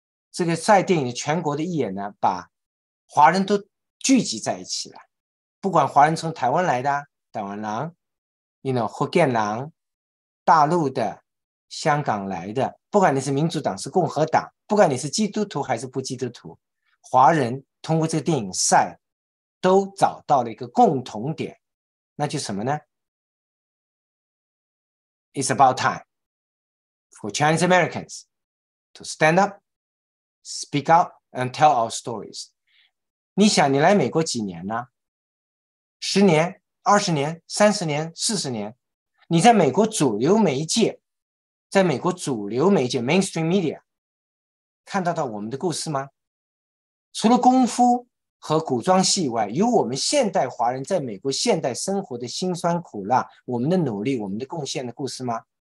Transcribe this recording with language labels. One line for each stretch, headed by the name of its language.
Chinese: 这个赛电影全国的一眼呢, 把华人都聚集在一起了, 不管华人从台湾来的, 台湾郎,
English: you know,
Chinese: 福建郎, 大陆的, 香港来的, 不管你是民主党是共和党, 不管你是基督徒还是不基督徒, 华人通过这个电影赛, 都找到了一个共同点, 那就什么呢?
English: It's about time for Chinese Americans to stand up, speak out, and tell our stories.
Chinese: 你想你来美国几年呢? 十年, 二十年, 三十年, 四十年, 你在美国主流媒介，在美国主流媒介 mainstream media 看到到我们的故事吗？除了功夫和古装戏以外，有我们现代华人在美国现代生活的辛酸苦辣，我们的努力，我们的贡献的故事吗？